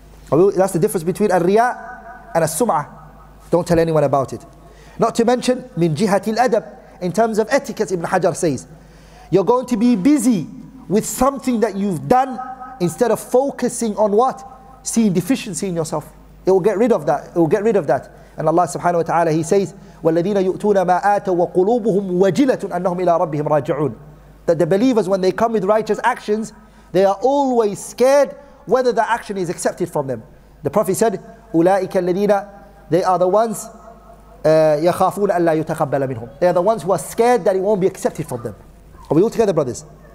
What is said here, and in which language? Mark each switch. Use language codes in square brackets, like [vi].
[en] That's the difference between al-riya and al-sum'ah. Don't tell anyone about it. Not to mention, [ar] min jihati al-adab, [en] in terms of etiquette, Ibn Hajar says, you're going to be busy with something that you've done instead of focusing on what? Seeing deficiency in yourself. It will get rid of that. It will get rid of that. And Allah subhanahu wa ta'ala, He says, [ar] وَالَّذِينَ يُؤْتُونَ مَا آتَوا وَقُلُوبُهُمْ وَجِلَةٌ أَنَّهُمْ إِلَىٰ رَبِّهِمْ رَاجِعُونَ. [en] That the believers, when they come with righteous actions, they are always scared whether the action is accepted from them. The Prophet said, [ar] أُولَٰئِكَ الَّذِينَ, [en] they are the ones, [ar] يَخَافُونَ أَلَّا يُتَقَبَّلَ مِنْهُمْ. [en] They are the ones who are scared that it won't be accepted from them. Are we all together, brothers?